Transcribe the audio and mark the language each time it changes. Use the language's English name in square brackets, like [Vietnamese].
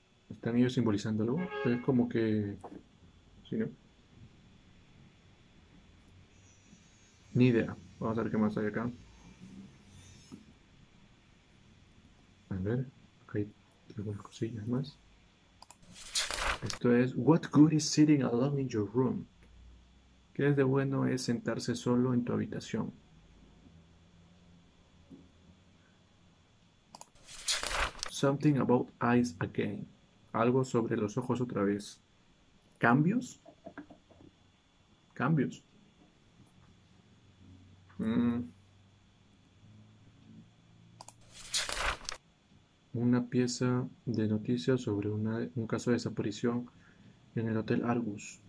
[Spanish] ¿Están ellos simbolizando algo? Es como que. Sí, ¿no? Ni idea. Vamos a ver qué más hay acá. A ver. Acá hay algunas cosillas más. Esto es. [English] What good is sitting alone in your room? [Spanish] ¿Qué es de bueno es sentarse solo en tu habitación? [English] Something about eyes again. [Spanish] Algo sobre los ojos otra vez. ¿Cambios? ¿Cambios? Una pieza de noticias sobre un caso de desaparición en el Hotel Argus.